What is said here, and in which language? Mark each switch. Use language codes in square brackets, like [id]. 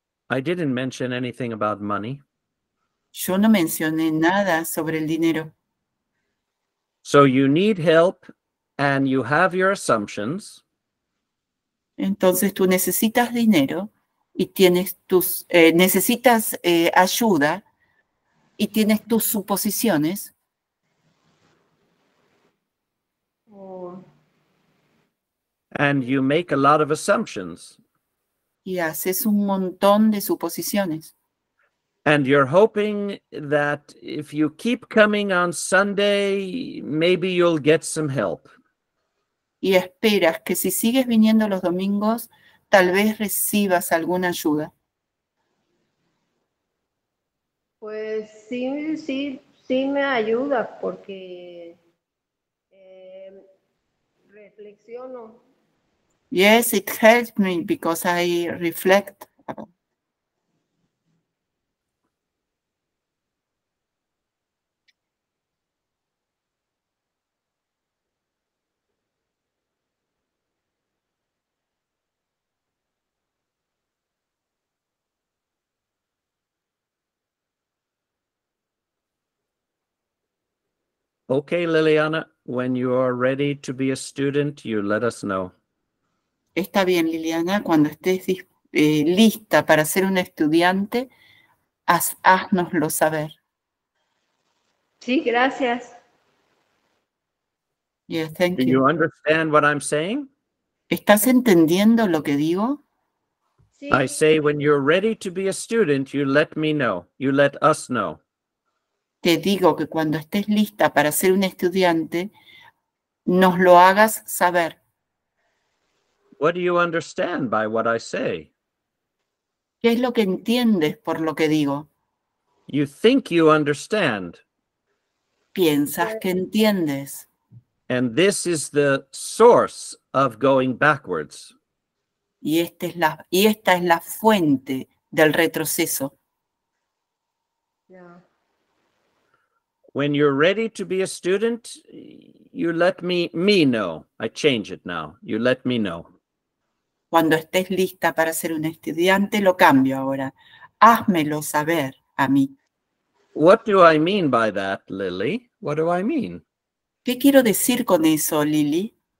[en] I didn't mention anything about money. [es] Yo no mencioné nada sobre el dinero. [en] So you need help and you have your assumptions. [es] Entonces tú necesitas dinero y tienes tus necesitas ayuda y tienes tus suposiciones. [en] And you make a lot of assumptions. [es] Y haces un montón de suposiciones. [en] And you're hoping that if you keep coming on Sunday, maybe you'll get some help. [es] Y esperas que si sigues viniendo los domingos, tal vez recibas alguna ayuda. Pues sí, sí, sí me ayuda porque reflexiono. [en] Yes, it helps me because I reflect. Okay, Liliana, when you are ready to be a student, you let us know. [es] Está bien, Liliana, cuando estés lista para ser una estudiante, haznoslo saber. Sí, gracias. [en] Yes, thank you. Do you understand what I'm saying? [es] ¿Estás entendiendo lo que digo? Sí. [en] I say, when you're ready to be a student, you let me know, you let us know. [es] Te digo que cuando estés lista para ser un estudiante, nos lo hagas saber. [en] What do you understand by what I say? [es] ¿Qué es lo que entiendes por lo que digo? [en] You think you understand. [es] Piensas que entiendes. [en] And this is the source of going backwards. [es] Y esta es la fuente del retroceso. [en] Yeah. When you're ready to be a student, you let me know. I change it now. You let me know. [es] Cuando estés lista para ser un estudiante, lo cambio ahora. Házmelo saber a mí. [en] What do I mean by that, Lily? What do I mean? [es] ¿Qué quiero decir con eso, Lily?